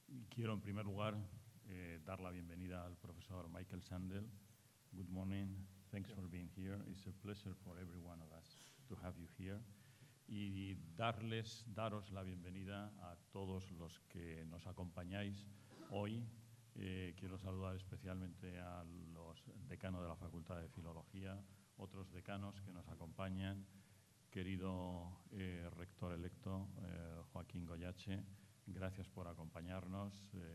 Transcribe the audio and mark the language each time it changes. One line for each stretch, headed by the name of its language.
Spanish: Quiero en primer lugar dar la bienvenida al profesor Michael Sandel.
English: Good morning. Thanks for being here. It's a pleasure for every one of us to have you here.
Spanish: Y daros la bienvenida a todos los que nos acompañáis hoy. Quiero saludar especialmente a los decanos de la Facultad de Filología, otros decanos que nos acompañan, querido rector electo Joaquín Goyache, gracias por acompañarnos.